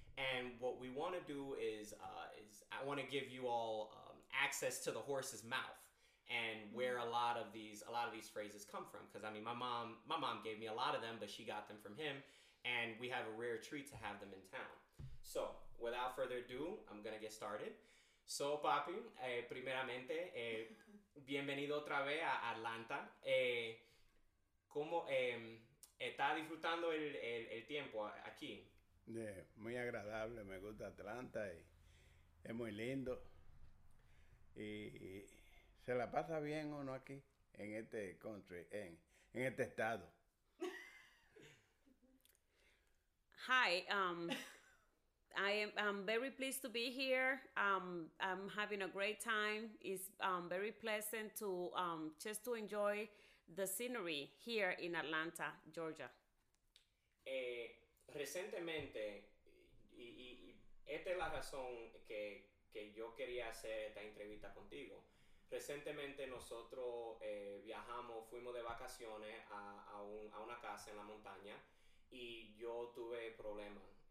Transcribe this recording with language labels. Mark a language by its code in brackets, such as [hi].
[en] And what we want to do is I want to give you all access to the horse's mouth and where a lot of these phrases come from. Because I mean, my mom gave me a lot of them, but she got them from him. And we have a rare treat to have them in town. So without further ado, I'm gonna get started. [es] So papi, primeramente, bienvenido otra vez a Atlanta. ¿Cómo está disfrutando el tiempo aquí? Yeah, muy agradable, me gusta Atlanta y es muy lindo. Y se la pasa bien uno aquí en este country, en este estado. [en] Hi, I'm very pleased to be here. I'm having a great time. It's very pleasant to just to enjoy the scenery here in Atlanta, Georgia. [es] Recientemente, y esta es la razón que yo quería hacer esta entrevista contigo. Recientemente nosotros viajamos, fuimos de vacaciones a una casa en la montaña y yo tuve problemas.